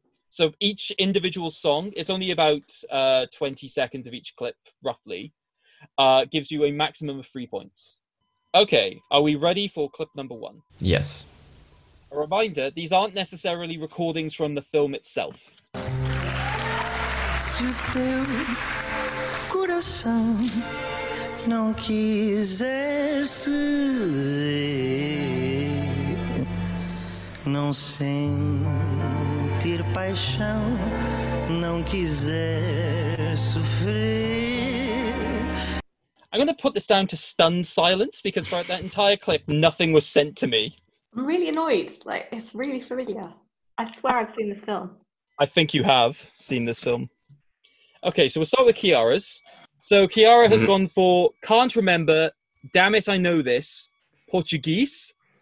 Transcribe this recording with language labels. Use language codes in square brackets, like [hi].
[en] So each individual song, it's only about 20 seconds of each clip, roughly, gives you a maximum of 3 points. Okay, are we ready for clip number one? Yes. A reminder, these aren't necessarily recordings from the film itself. [pt] Se o teu coração não quiser ceder, não sentir paixão, não quiser sofrer. [en] I'm going to put this down to stunned silence because throughout that entire clip, nothing was sent to me. I'm really annoyed. Like, it's really familiar. I swear I've seen this film. I think you have seen this film. Okay, so we'll start with Kiara's. So Kiara has gone for Can't Remember, Damn It, I Know This, Portuguese.